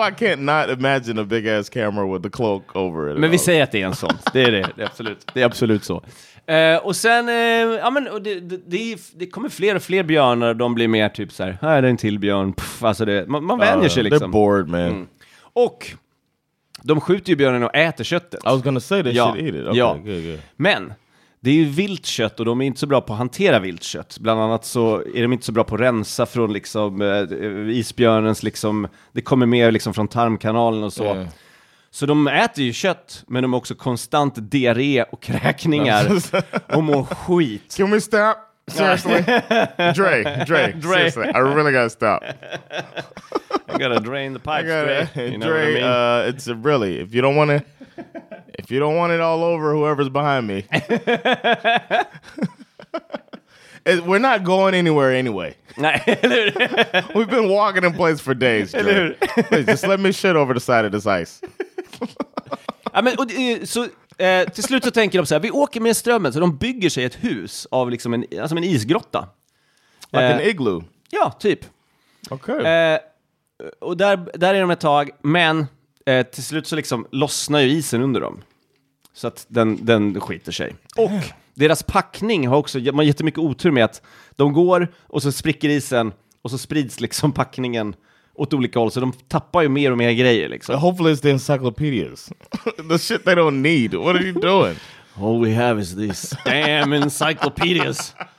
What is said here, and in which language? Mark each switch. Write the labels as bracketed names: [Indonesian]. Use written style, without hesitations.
[English] I can't not imagine a big ass camera with the cloak over it. [Swedish] Men vi säger att det är en sån. Det är absolut. Det är absolut så. Och sen, ja men det kommer fler och fler björnar. De blir mer typ så här är det en till björn. Puff, alltså det, man vänjer sig liksom. [English] They're bored, man. Mm. [Swedish] Och de skjuter ju björnen och äter köttet. [English] I was gonna say they should eat it. Okay, [Swedish] ja. [English] good. [Swedish] Men det är ju vilt kött och de är inte så bra på att hantera vilt kött. Bland annat så är de inte så bra på att rensa från liksom isbjörnens liksom. Det kommer mer liksom från tarmkanalen och så. Yeah. Så de äter ju kött, men de har också konstant diarré och kräkningar och mår skit. [English] Can we stop? Seriously? Dre. Seriously, I really gotta stop. I gotta drain the pipes, Dre. Dre, you know what I mean? It's really, if you don't want it all over whoever's behind me. We're not going anywhere anyway. We've been walking in place for days, Dre. Please, just let me shit over the side of this ice. [Swedish] Ja, men, och, så, till slut så tänker de så här: vi åker med strömmen. Så de bygger sig ett hus av liksom en, alltså en isgrotta. [English] Like an igloo. [Swedish] Ja, typ. [English] Okay. [Swedish] Och där är de ett tag. Men till slut så liksom lossnar ju isen under dem. Så att den skiter sig. Och deras packning har också, man har jättemycket otur med att de går och så spricker isen. Och så sprids liksom packningen åt olika håll, så de tappar ju mer och mer grejer liksom. [English] Hopefully it's the encyclopedias. The shit they don't need. What are you doing? All we have is these damn encyclopedias.